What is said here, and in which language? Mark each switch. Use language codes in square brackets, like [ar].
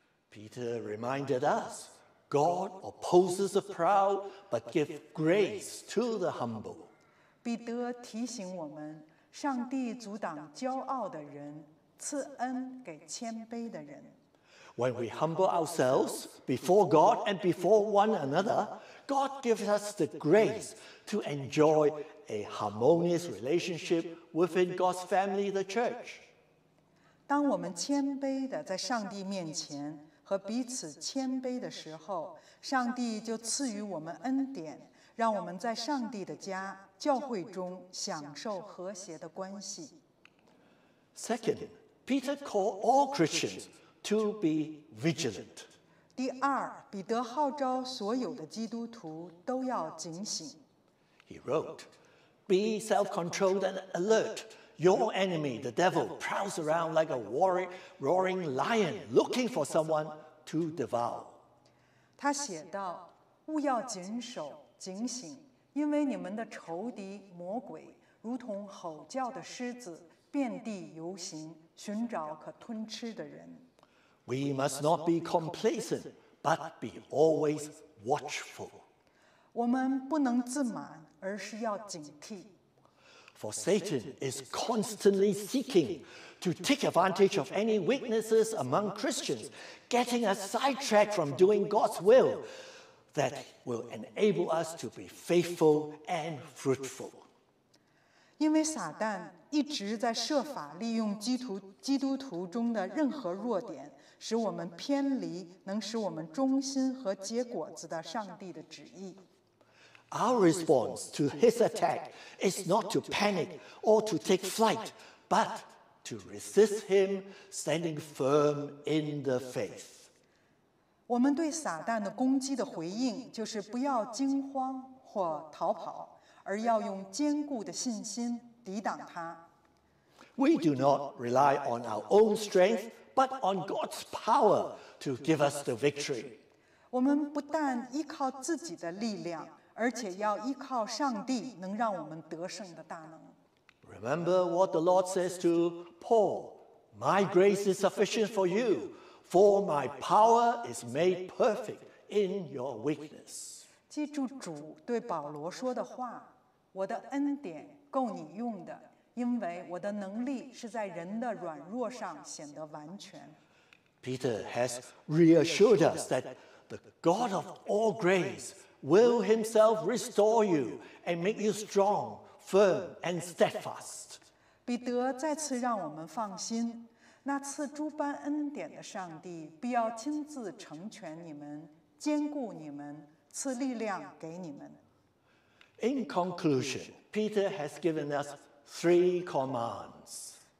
[en] Peter reminded us, God opposes the proud, but gives grace to the humble. [zh] 彼得提醒我们，上帝阻挡骄傲的人，赐恩给谦卑的人。 [en] When we humble ourselves before God and before one another, God gives us the grace to enjoy a harmonious relationship within God's family, the church. [zh] 当我们谦卑地在上帝面前和彼此谦卑的时候，上帝就赐予我们恩典，让我们在上帝的家教会中享受和谐的关系。 [en] Second, Peter called all Christians to be vigilant. [zh] 第二，彼得号召所有的基督徒都要警醒。 [en] He wrote,Be self-controlled and alert. Your enemy, the devil, prowls around like a roaring lion, looking for someone to devour. [zh] 他写道，务要谨守、警醒，因为你们的仇敌魔鬼如同吼叫的狮子，遍地游行，寻找可吞吃的人。 [en] We must not be complacent, but be always watchful. [zh] 我们不能自满。而是要警惕。 [en] For Satan is constantly seeking to take advantage of any weaknesses among Christians, getting us sidetracked from doing God's will that will enable us to be faithful and fruitful. [zh] 因为撒旦一直在设法利用基督徒中的任何弱点，使我们偏离能使我们忠心和结果子的上帝的旨意。 [en] Our response to his attack is not to panic or to take flight, but to resist him, standing firm in the faith. [zh] 我们对撒旦的攻击的回应就是不要惊慌或逃跑，而要用坚固的信心抵挡他。 [en] We do not rely on our own strength, but on God's power to give us the victory. [zh] 我们不但依靠自己的力量，而且要依靠上帝能让我们得胜的大能。 [en] Remember what the Lord says to Paul, My grace is sufficient for you, for my power is made perfect in your weakness. [zh] 记住主对保罗说的话，我的恩典够你用的，因为我的能力是在人的软弱上显得完全。 [en] Peter has reassured us that the God of all grace will himself restore you and make you strong, firm, and steadfast. [zh] 彼得再次让我们放心，那赐诸般恩典的上帝必要亲自成全你们，坚固你们，赐力量给你们。 [en] In conclusion, Peter has given us three commands.